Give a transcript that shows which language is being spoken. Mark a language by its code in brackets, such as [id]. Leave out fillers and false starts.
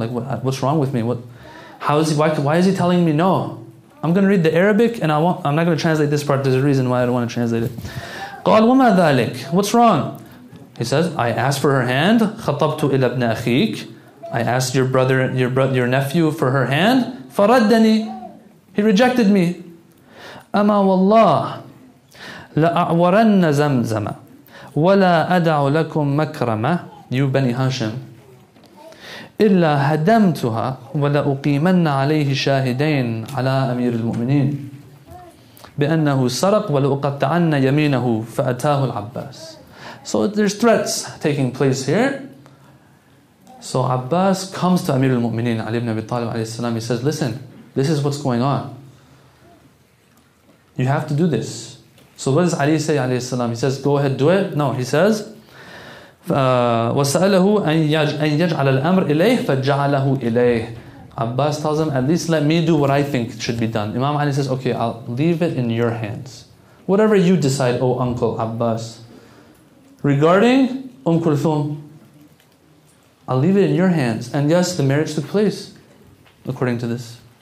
[en] Like, what's wrong with me? Why is he telling me no? I'm going to read the Arabic and I'm not going to translate this part. There's a reason why I don't want to translate it. [ar] قال وما ذلك. [en] What's wrong? He says, I asked for her hand. [ar] خطبت إلى ابن أخيك. [en] I asked your nephew for her hand. [ar] فردني. [en] He rejected me. [ar] أما والله لأعورن زمزم ولا أدع لكم مكرمة. [en] You Bani Hashim. [ar] إلا هدمتها ولا أقيمن عليه شاهدين على أمير المؤمنين بأنه سرق ولا أقطعن يمينه فأتاه العباس. [en] So there's threats taking place here. So Abbas comes to Amir al-Mu'minin Ali ibn Abi Talib alayhi salam. He says, listen, this is what's going on. You have to do this. So what does Ali say alayhi salam? He says, go ahead, do it. No, he says, [ar] وَسَأَلَهُ أَنْ يَجْعَلَ الْأَمْرِ إِلَيْهِ فَجَعَلَهُ إِلَيْهِ. [en] Abbas tells him, at least let me do what I think should be done. Imam Ali says, okay, I'll leave it in your hands. Whatever you decide, O uncle Abbas. Regarding Kulthum, I'll leave it in your hands. And yes, the marriage took place, according to this.